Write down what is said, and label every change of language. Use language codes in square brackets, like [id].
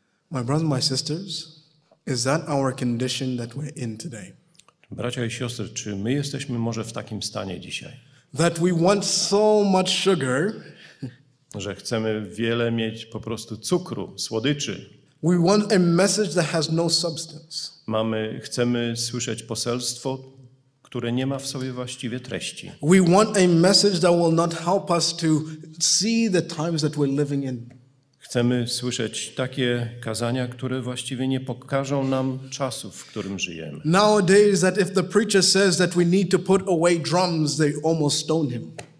[en] My brothers, my sisters, is that our condition that we're in today? [pl] Bracia i siostry, czy my jesteśmy może w takim stanie dzisiaj? [en] That we want so much sugar. [pl] Że chcemy wiele mieć po prostu cukru, słodyczy. [en] We want a message that has no substance. [pl] Chcemy słyszeć poselstwo, które nie ma w sobie właściwie treści. [en] We want a message that will not help us to see the times that we're living in. [pl] Chcemy słyszeć takie kazania, które właściwie nie pokażą nam czasów, w którym żyjemy. [en] Nowadays that if the preacher says that we need to put away drums, they almost stone him.